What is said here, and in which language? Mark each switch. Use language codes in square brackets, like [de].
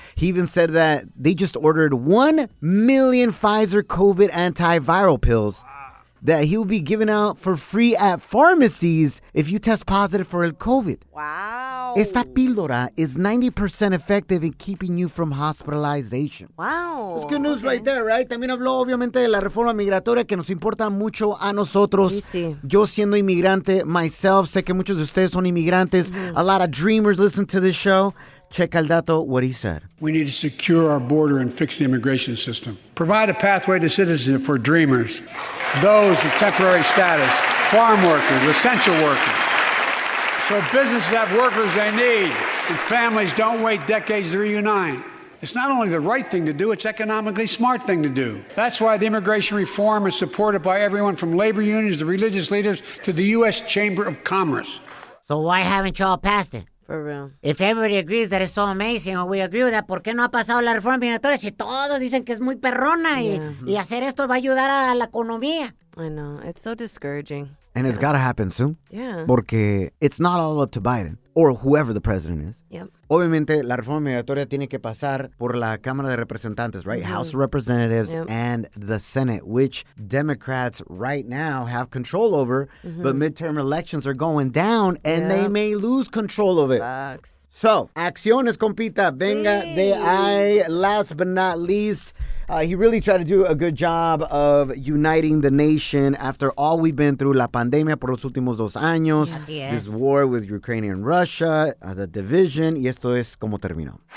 [en] He even said that they just ordered 1 million Pfizer COVID antiviral pills that he will be giving out for free at pharmacies if you test positive for el COVID. Wow. Esta píldora is 90% effective in keeping you from hospitalization. Wow. That's good news right there, right? [es] También habló, obviamente, de la reforma migratoria que nos importa mucho a nosotros. Sí, sí. Yo siendo inmigrante [en] myself, [es] sé que muchos de ustedes son inmigrantes. [en] Mm-hmm. A lot of dreamers listen to this show. Check el dato, what he said. We need to secure our border and fix the immigration system. Provide a pathway to citizenship for dreamers, those with temporary status, farm workers, essential workers. So businesses have workers they need, and families don't wait decades to reunite. It's not only the right thing to do, it's economically smart thing to do. That's why the immigration reform is supported by everyone from labor unions to religious leaders to the U.S. Chamber of Commerce. So why haven't y'all passed it? For real. [es] If everybody agrees that it's so amazing, or we agree with that, ¿por qué no ha pasado la reforma migratoria si todos dicen que es muy perrona y hacer esto va a ayudar a la economía? [en] I know. It's so discouraging. And it's got to happen soon. Yeah. Porque it's not all up to Biden or whoever the president is. Yep. [es] Obviamente, la reforma migratoria tiene que pasar por la Cámara de Representantes, right? [en] Mm-hmm. House of Representatives and the Senate, which Democrats right now have control over. Mm-hmm. But midterm elections are going down and they may lose control of it. Facts. [es] So, acciones, compita. Venga de ahí. [en] Last but not least. He really tried to do a good job of uniting the nation after all we've been through, la pandemia por los últimos dos años, this war with Ukraine and Russia, the division, y esto es como terminó.